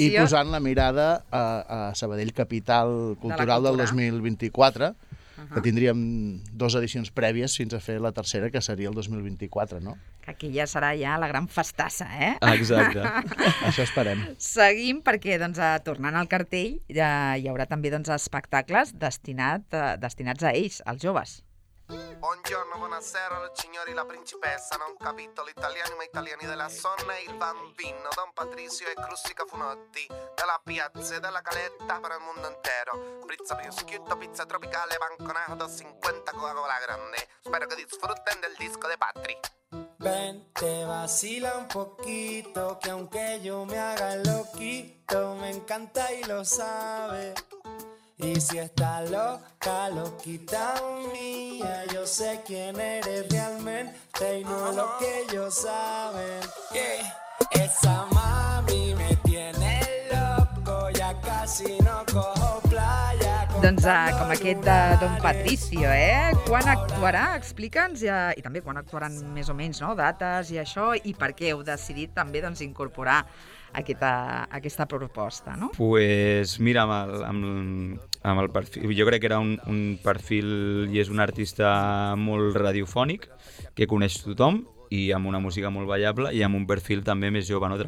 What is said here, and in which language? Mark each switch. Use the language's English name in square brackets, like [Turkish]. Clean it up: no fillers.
[Catalan] I posant la mirada a Sabadell Capital Cultural del 2024, que tindríem dues edicions prèvies fins a fer la tercera, que seria el 2024, no? Que aquí ja serà ja la gran festassa, eh? Exacte, això esperem. Seguim, perquè doncs, tornant al cartell, ja hi haurà també doncs, espectacles destinats a ells, als joves. [Italian] Buongiorno, buonasera, lo signori, la principessa, non capito l'italiano, ma italiani della zona, il bambino, Don Patricio e Crussi Cafunotti, della piazza e della caletta per il mondo intero, pizza più schiutto, pizza tropicale, banconato, 50 Coca-Cola grande, spero che [Spanish] disfruten del disco de Patri. Ven, te vacila un poquito, que aunque yo me haga el loquito, me encanta y lo sabe. Y si está loca, loquita mía, yo sé quién eres realmente y no lo que ellos saben. Yeah. Esa mami me tiene loco, ya casi no cojo playa. [Catalan] Doncs com aquest de Don Patricio, eh? Quan actuarà? Explica'ns, ja, i també quan actuaran més o menys, no? Dates i això, i per què heu decidit també doncs, incorporar aquesta proposta, no? [Spanish] Pues mira, [Catalan] amb el perfil, jo crec que era un perfil i és un artista molt radiofònic, que coneix tothom i amb una música molt ballable i amb un perfil també més jove, no?